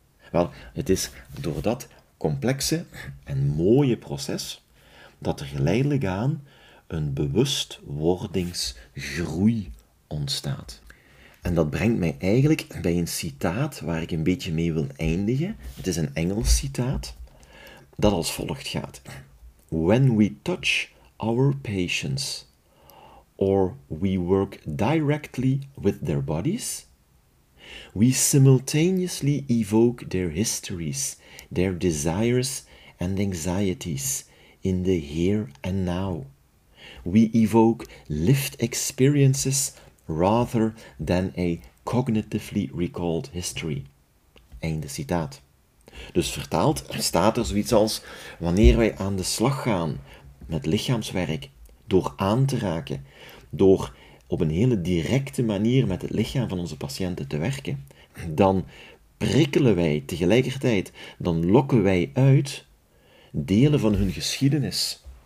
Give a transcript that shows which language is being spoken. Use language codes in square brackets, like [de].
[nl] Wel, het is door dat complexe en mooie proces dat er geleidelijk aan een bewustwordingsgroei ontstaat. En dat brengt mij eigenlijk bij een citaat waar ik een beetje mee wil eindigen. Het is een Engels citaat dat als volgt gaat. [en] When we touch our patients or we work directly with their bodies, we simultaneously evoke their histories, their desires and anxieties in the here and now. We evoke lived experiences rather than a cognitively recalled history. [nl] Einde citaat. Dus vertaald staat er zoiets als, wanneer wij aan de slag gaan met lichaamswerk, door aan te raken, door op een hele directe manier met het lichaam van onze patiënten te werken, dan prikkelen wij tegelijkertijd, dan lokken wij uit delen van hun geschiedenis,